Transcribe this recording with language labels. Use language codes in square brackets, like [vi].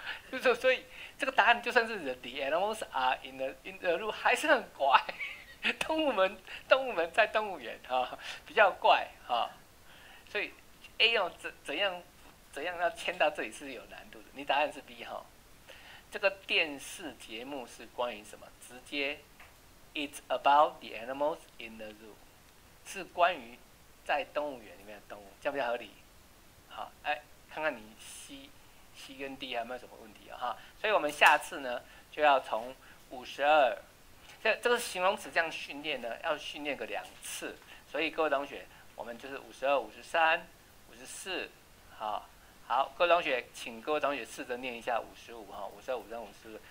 [zh] 就是所以这个答案就算是 [en] the animals are in the zoo [zh] 还是很怪。动物们在动物园哈、哦、比较怪哈、哦，所以 A 要怎样要迁到这里是有难度的。你答案是 B 哈、哦，这个电视节目是关于什么？直接 [en] it's about the animals in the zoo， [zh] 是关于。在动物园里面的动物，这样比较合理。好，哎，看看你 C 跟 D 还有没有什么问题啊？哈，所以我们下次呢就要从52，这个形容词这样训练呢，要训练个两次。所以各位同学，我们就是52、53、54，好，好，各位同学，请各位同学试着念一下55哈，52、53、54。